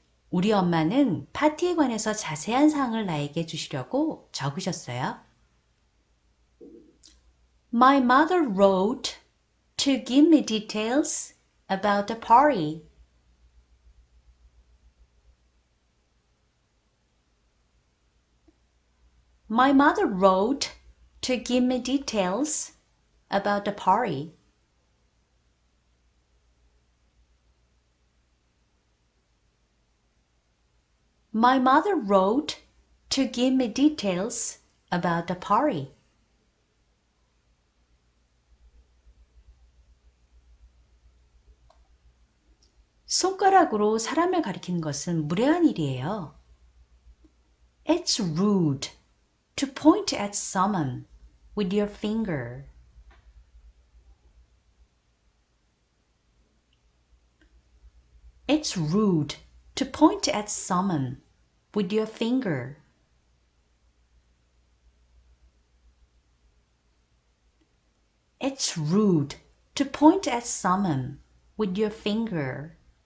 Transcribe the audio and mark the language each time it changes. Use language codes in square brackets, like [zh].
[ko] 우리 엄마는 파티에 관해서 자세한 사항을 나에게 주시려고 적으셨어요. [en] My mother wrote to give me details about the party. My mother wrote to give me details about the party. My mother wrote to give me details about the party. [ko] 손가락으로 사람을 가리키는 것은 무례한 일이에요. [en] It's rude to point at someone with your finger. It's rude to point at someone with your finger.